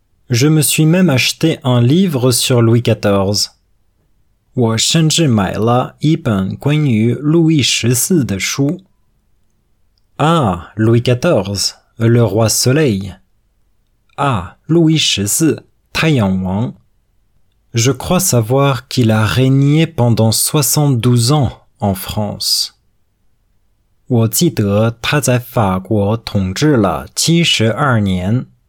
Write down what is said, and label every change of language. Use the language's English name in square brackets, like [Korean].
[French] Je me suis même acheté un livre sur Louis XIV. [Chinese] 我甚至买了一本关于路易十四的书. [French] Ah, Louis XIV, le roi soleil. Ah, Louis XIV, [Chinese] 太阳王. [French] Je crois savoir qu'il a régné pendant 72 ans en France. [Chinese] 我记得他在法国统治了72年.